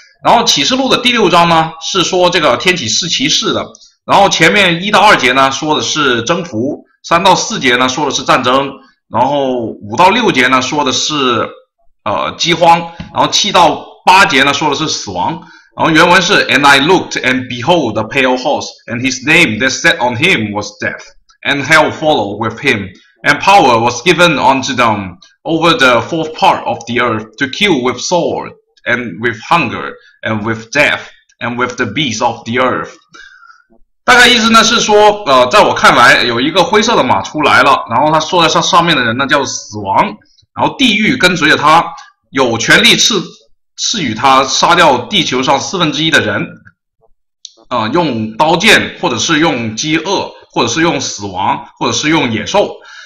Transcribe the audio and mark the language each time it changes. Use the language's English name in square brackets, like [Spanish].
[Chinese] 然后启示录的第六章呢，是说这个天启四骑士的。然后前面一到二节呢，说的是征服；三到四节呢，说的是战争；然后五到六节呢，说的是饥荒；然后七到八节呢，说的是死亡。然后原文是 [English] And I looked and behold the pale horse, and his name that sat on him was death, and hell followed with him, and power was given unto them over the fourth part of the earth to kill with sword, and with hunger, and with death, and with the beasts of the earth。 [Chinese] 大概意思呢是说，在我看来有一个灰色的马出来了，然后他坐在上面的人呢叫死亡，然后地狱跟随着他，有权利赐予他杀掉地球上四分之一的人，用刀剑，或者是用饥饿，或者是用死亡，或者是用野兽。